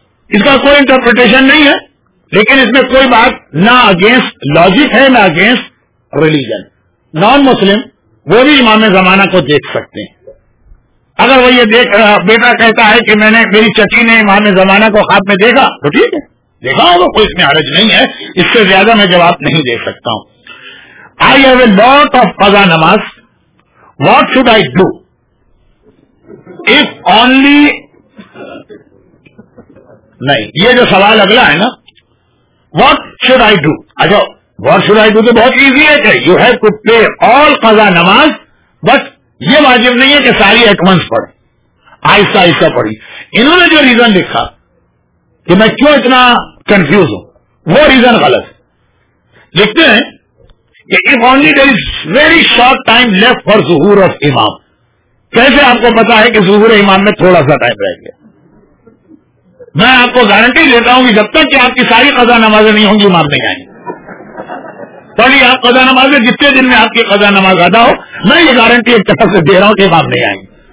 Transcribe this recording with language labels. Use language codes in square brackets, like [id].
[ur] اس کا کوئی انٹرپریٹیشن نہیں ہے, لیکن اس میں کوئی بات نہ اگینسٹ لاجک ہے نہ اگینسٹ ریلیجن. نان مسلم وہ بھی امام زمانہ کو دیکھ سکتے ہیں. اگر وہ یہ بیٹا کہتا ہے کہ میں نے میری چچی نے امام زمانہ کو خواب میں دیکھا تو ٹھیک ہے, دیکھا ہوگا, کوئی اس میں حرج نہیں ہے. اس سے زیادہ میں جواب نہیں دے سکتا ہوں. [en] I have a lot of qaza namaz. What should I do? If only... [ur] نہیں, یہ جو سوال اگلا ہے نا, [en] what should I do? [ur] اچھا, [en] what should I do [ur] تو بہت ایزی ہے کہ [en] you have to pay all qaza namaz, but [ur] یہ واجب نہیں ہے کہ ساری ایک منس پڑھے, آہستہ آہستہ پڑھی. انہوں نے جو ریزن لکھا کہ میں کیوں اتنا کنفیوز ہوں, وہ ریزن غلط. لکھتے ہیں [en] if only there is very short time left for zuhoor of imam. [ur] کیسے آپ کو پتا ہے کہ ظہور امام میں تھوڑا سا ٹائم رہ گیا؟ میں آپ کو گارنٹی دیتا ہوں کہ جب تک کہ آپ کی ساری قضا نمازیں نہیں ہوں گی امام نہیں آئیں. پڑھی آپ قضا نمازیں, جتنے دن میں آپ کی قضا نماز ادا ہو میں یہ گارنٹی ایک طرف سے دے رہا ہوں کہ امام نہیں آئیں.